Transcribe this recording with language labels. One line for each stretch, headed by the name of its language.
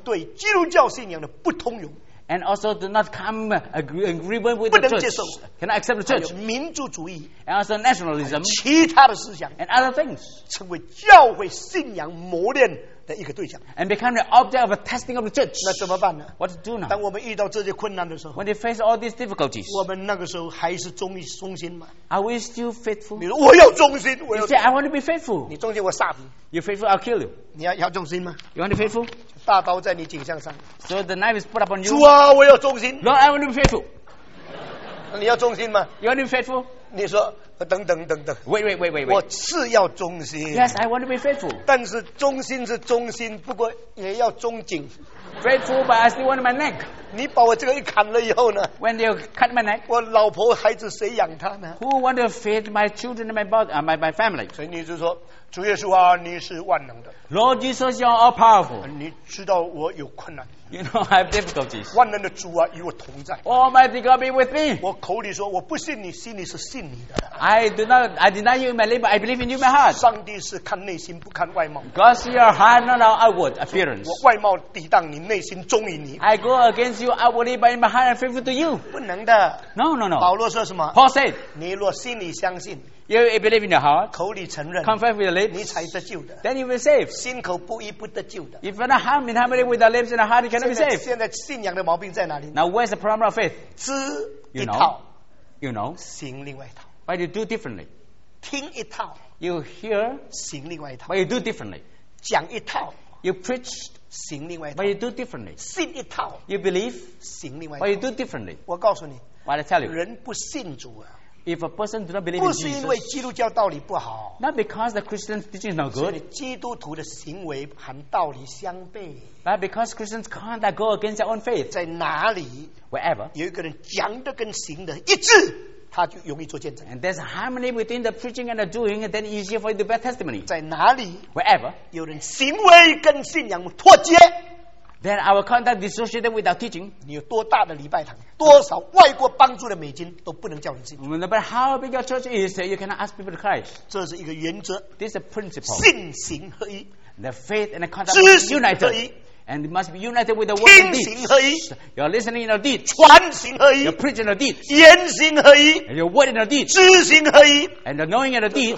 Chinese: 对基督教信仰的不通融
English: And also do not come agreement with the church. Cannot accept the church.
Chinese: 还有民族主义
English: And also nationalism.
Chinese: 其他的思想
English: And other things.
Chinese: 成为教会信仰磨练的一个对象
English: And become the object of a testing of the church.
Chinese: 那怎么办呢？
English: What to do now?
Chinese: 当我们遇到这些困难的时候
English: When you face all these difficulties.
Chinese: 我们那个时候还是忠心吗？
English: Are we still faithful?
Chinese: 你说我要忠心，我要
English: You say, I want to be faithful.
Chinese: 你忠心我杀你。
English: You're faithful, I'll kill you.
Chinese: 你要忠心吗？
English: You want to be faithful?
Chinese: 大刀在你颈项上。
English: So the knife is put upon you.
Chinese: 主啊，我要忠心。
English: Lord, I want to be faithful.
Chinese: 你要忠心吗？
English: You want to be faithful?
Chinese: 你说等等。
English: Wait.
Chinese: 我是要忠心。
English: Yes, I want to be faithful.
Chinese: 但是忠心是忠心，不过也要忠颈。
English: Faithful, but I still want my neck.
Chinese: 你把我这个一砍了以后呢？
English: When you cut my neck,
Chinese: 我老婆孩子谁养他呢？
English: Who want to feed my children and my family?
Chinese: 所以你就说，主耶稣啊，你是万能的。
English: Lord Jesus, you are all powerful.
Chinese: 你知道我有困难。
English: You know I have difficulties.
Chinese: 万能的主啊，与我同在。
English: Almighty God be with me.
Chinese: 我口里说我不信你，心里是信你的。
English: I deny you in my labor. I believe in you in my heart.
Chinese: 上帝是看内心，不看外貌。
English: God see your heart, not our outward appearance.
Chinese: 我外貌抵挡你，内心忠于你。
English: I go against you outwardly, but in my heart I'm faithful to you.
Chinese: 不能的。
English: No.
Chinese: 保罗说什么
English: ？Paul said,
Chinese: 你若心里相信。
English: You believe in your heart,
Chinese: 口里承认
English: confess with the lips,
Chinese: 你才得救的
English: then you will be saved.
Chinese: 心口不一不得救的
English: If you're not harmed in harmony with the lips and the heart, you cannot be saved.
Chinese: 现在信仰的毛病在哪里？
English: Now where's the problem of faith?
Chinese: 知一套
English: you know,
Chinese: 行另外一套
English: But you do differently.
Chinese: 听一套
English: You hear,
Chinese: 行另外一套
English: But you do differently.
Chinese: 讲一套
English: You preach,
Chinese: 行另外一套
English: But you do differently.
Chinese: 信一套
English: You believe,
Chinese: 行另外一套
English: But you do differently.
Chinese: 我告诉你
English: What I tell you,
Chinese: 人不信主啊
English: If a person do not believe in Jesus,
Chinese: 不是因为基督教道理不好
English: not because the Christian teaching is not good,
Chinese: 基督徒的行为和道理相悖
English: but because Christians can't go against their own faith,
Chinese: 在哪里
English: wherever,
Chinese: 有一个人讲的跟行的一致他就容易做见证
English: and there's harmony between the preaching and the doing, and then easier for you to bear testimony,
Chinese: 在哪里
English: wherever,
Chinese: 有人行为跟信仰脱节
English: then our conduct dissociated with our teaching,
Chinese: 你有多大的礼拜堂多少外国帮助的美金都不能叫你信。
English: No matter how big your church is, you cannot ask people to Christ.
Chinese: 这是一个原则。
English: This is a principle.
Chinese: 信行合一。
English: The faith and the conduct united.
Chinese: 知行合一。
English: And it must be united with the word of deed. You're listening in a deed. You're preaching in a deed. And your word in a deed. And the knowing in a deed